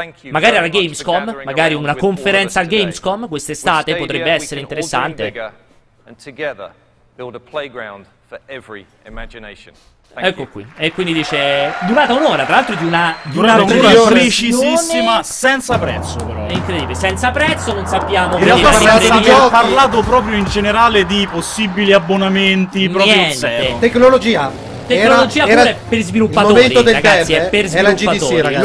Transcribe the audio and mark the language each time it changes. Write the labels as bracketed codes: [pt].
[it] Magari alla Gamescom, magari una conferenza al Gamescom, quest'estate potrebbe essere interessante. [en] And together build a playground for every imagination. Thank ecco you. Qui. [it] E quindi dice durata un'ora, tra l'altro di una precisissima, senza prezzo però. È incredibile, senza prezzo, non sappiamo. In realtà parlato proprio in generale di possibili abbonamenti, proprio zero. Tecnologia pure per sviluppatori, ragazzi, è per sviluppatori. È la GDC, ragazzi.